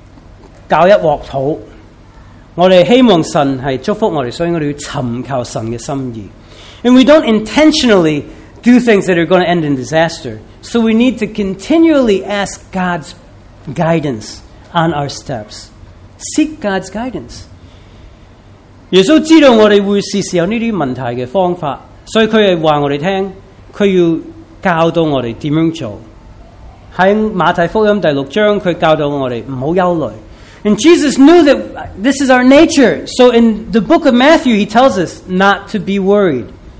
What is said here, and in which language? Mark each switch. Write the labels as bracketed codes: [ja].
[zh] 我們不是特地想搞一鑊土, 我们希望神是祝福我们，所以我们要寻求神的心意。 [en] And we don't intentionally do things that are going to end in disaster. So we need to continually ask God's guidance on our steps. Seek God's guidance. [zh] 耶稣知道我们会试试有这些问题的方法，所以他就告诉我们怎样做。在马太福音第六章，他教导我们不要忧虑。 [en] And Jesus knew that this is our nature. So in the book of Matthew, he tells us not to be worried.